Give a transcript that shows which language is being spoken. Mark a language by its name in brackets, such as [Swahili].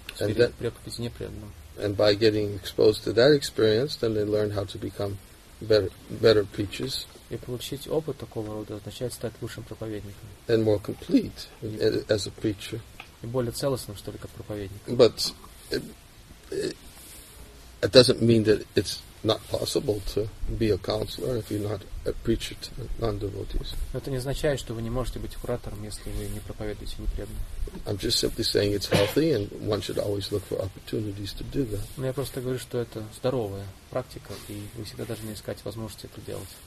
[English] And by getting exposed to that experience, then they learn how to become better preachers. [Russian] И получить опыт такого рода означает стать лучшим проповедником. [English] And more complete as a preacher. [Russian] И более целостным, что ли, как проповедник. [English] But it doesn't mean that it's not possible to be a counselor if you're not a preacher to non-devotees. [Russian] Но это не означает, что вы не можете быть куратором, если вы не проповедуете непреданным. [English] I'm just simply saying it's healthy and one should always look for opportunities to do that. [Russian] Но я просто говорю, что это здоровая практика, и вы всегда должны искать возможности это делать.